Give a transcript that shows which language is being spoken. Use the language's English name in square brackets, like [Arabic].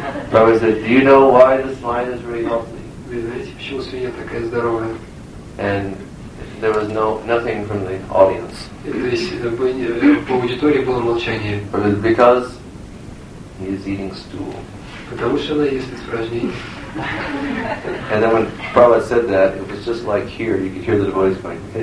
[English] Prabhupada said, do you know why the swine is very healthy? [Russian] Вы знаете, почему свинья такая здоровая? [English] And there was nothing from the audience. [Russian] По аудитории было молчание. [English] Because he is eating stool. [Russian] Потому что она ест испражнение. [English] And then when Prabhupada said that, it was just like here, you could hear the voice going,